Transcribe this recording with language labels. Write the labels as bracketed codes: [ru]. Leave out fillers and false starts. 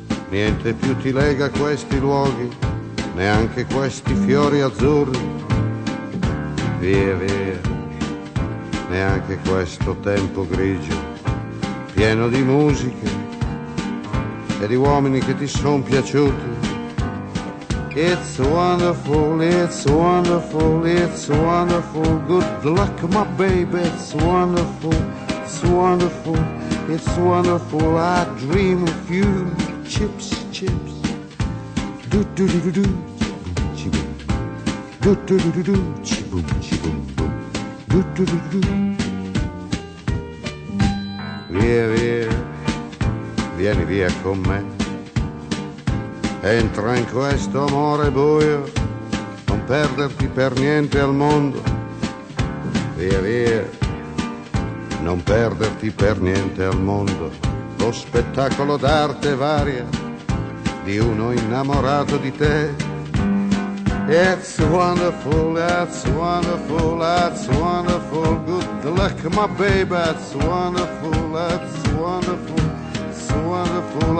[it] Niente più ti lega a questi luoghi, neanche questi fiori azzurri. Via, via, neanche questo tempo grigio, pieno di musiche e di uomini che ti son piaciuti. [en] It's wonderful, it's wonderful, it's wonderful. Good luck, my baby, it's wonderful. It's wonderful, it's wonderful. I dream of you. Chips, chips. Do-do-do-do-do. Chi-boom. Do-do-do-do-do. Chi-boom, chi-boom, boom. Do-do-do-do-do. [it] Via, via. Vieni via con me. Entra in questo amore buio. Non perderti per niente al mondo. Via, via. Non perderti per niente al mondo lo spettacolo d'arte varia di uno innamorato di te. [en] It's wonderful, that's wonderful, that's wonderful. Good luck, my baby, it's wonderful, that's wonderful, it's wonderful.